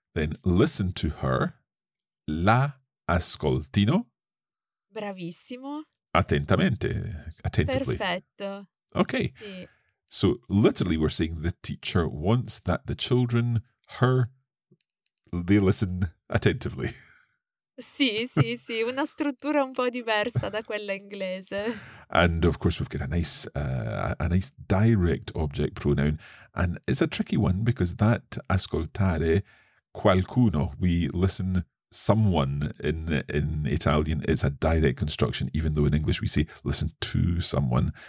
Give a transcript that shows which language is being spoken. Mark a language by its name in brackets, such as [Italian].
[English] Then listen to her. [Italian] La ascoltino. Bravissimo. Attentamente. [English] Attentively. [Italian] Perfetto. [English] Okay. [Italian] Sì. [English] So literally we're saying the teacher wants that the children, her, they listen attentively. [Italian] Sì, sì, sì. Una struttura un po' diversa da quella inglese. [English] And of course we've got a nice direct object pronoun. And it's a tricky one because that ascoltare qualcuno, we listen someone in Italian, is a direct construction, even though in English we say listen to someone.